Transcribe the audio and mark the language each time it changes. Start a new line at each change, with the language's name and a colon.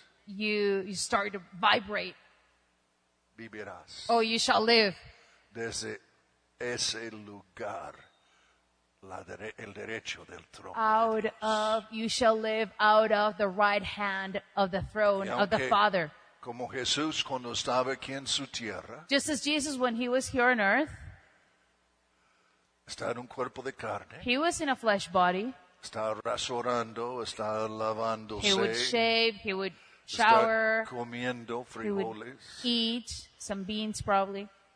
English: You start to vibrate.
Spanish: Vivirás.
English: Oh, you shall live.
Spanish: Desde ese lugar, el derecho del trono.
English: Out of, you shall live out of the right hand of the throne of the Father.
Spanish: Como Jesús cuando estaba aquí en su tierra.
English: Just as Jesus when he was here on earth.
Spanish: Está en un cuerpo de carne.
English: He was in a flesh body.
Spanish: Está rasurando, está lavándose.
English: He would shave, he would shower.
Spanish: Está comiendo frijoles.
English: He would eat some beans probably.